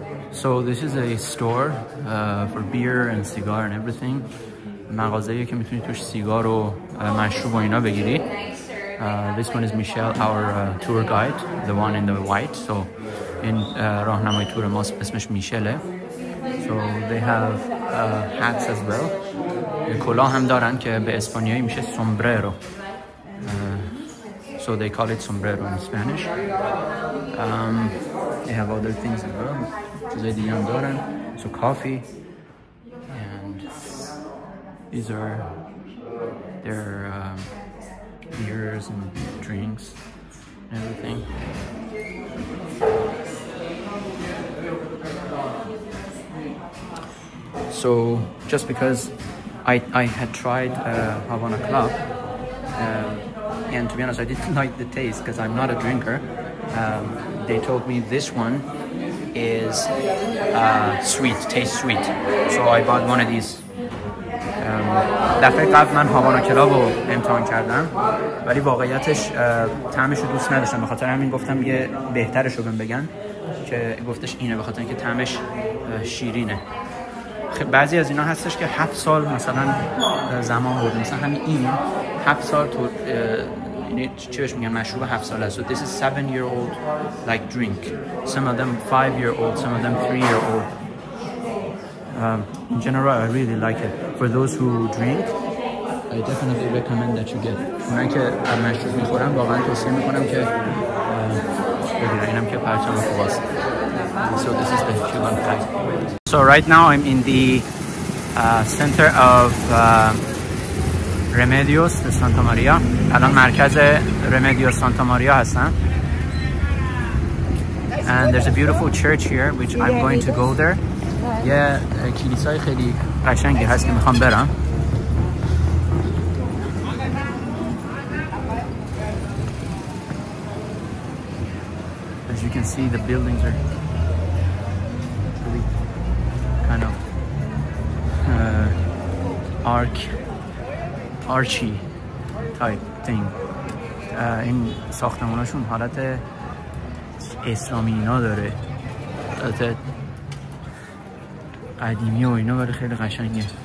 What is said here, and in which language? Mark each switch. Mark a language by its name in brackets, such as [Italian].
[English] So this is a store for beer and cigar and everything. [Persian] مغازه‌ای که می‌تونی توش سیگار و مشروب و اینا بگیری. [English] This one is Michelle, our tour guide, the one in the white. So in [Persian] راهنمای تور ما اسمش میشله. [English] So they have hats as well. [Persian] کلاه هم دارن که به اسپانیایی میشه سومبرero. [English] So they call it sombrero in Spanish. They have other things as well. [Persian] چیزای دیگه هم دارن. [English] So coffee and these are their beers and drinks and everything. So just because I had tried Havana Club and to be honest I didn't like the taste because I'm not a drinker, they told me this one is sweet, tastes sweet. So I bought one of these. [Persian] دفعه قبل من هاوانا کلاب رو امتحان کردم ولی واقعیتش طعمش رو دوست نداشتم، به خاطر همین گفتم یه بهترش رو بگن که گفتش اینه، به خاطر اینکه طعمش شیرینه. بعضی از اینا هستش که 7 سال مثلا زمان برد، مثلا همین این 7 سال تو یعنی چی بهش میگن مشروب 7 سال است. [English] So this is 7 year old like drink. Some of them 5 year old, some of them 3 year old. In general, I really like it. For those who drink, I definitely recommend that you get it. [Persian] اونایی که مشروب میخورن واقعا توصیه میکنم که بگیرن. اینم که پرچم خوباست. [English] So this is the Cuban flag. So right now I'm in the center of Remedios de Santa Maria. [Persian] الان مرکز Remedios Santa Maria هستم. [English] And there's a beautiful church here which I'm going to go there. [Persian] یه کلیسای خیلی قشنگی هست که میخوام برم. [English] As you can see the buildings are really kind of archy type thing. [Persian] این ساختمانشون حالت اسلامی اینا داره، حالت قدیمی و اینا، برای خیلی قشنگه.